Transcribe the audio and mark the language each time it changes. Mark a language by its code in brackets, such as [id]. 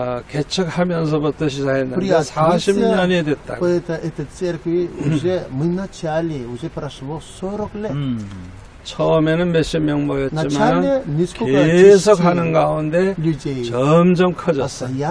[ko] 개척하면서부터 시작했는데 40년이 됐다. [ru] 그 церкви уже мы начали, уже прошло 40 лет. [ko] 처음에는 몇십 명 모였지만 계속 하는 가운데 점점 커졌어요.